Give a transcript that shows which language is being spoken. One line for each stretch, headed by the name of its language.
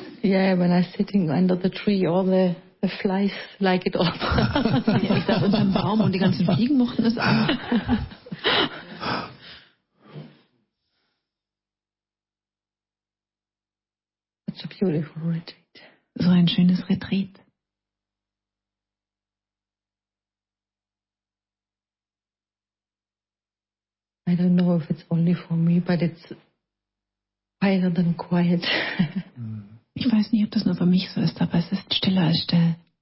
English: Yeah, when I'm sitting under the tree, all the flies like it all.
German: Ja, ich saß unter dem Baum und die ganzen Fliegen mochten es an.
English: It's a beautiful retreat.
German: So ein schönes Retreat.
English: I don't know if it's only for me, but it's quieter than quiet.
German: Ich weiß nicht, ob das nur für mich so ist, aber es ist stiller als still.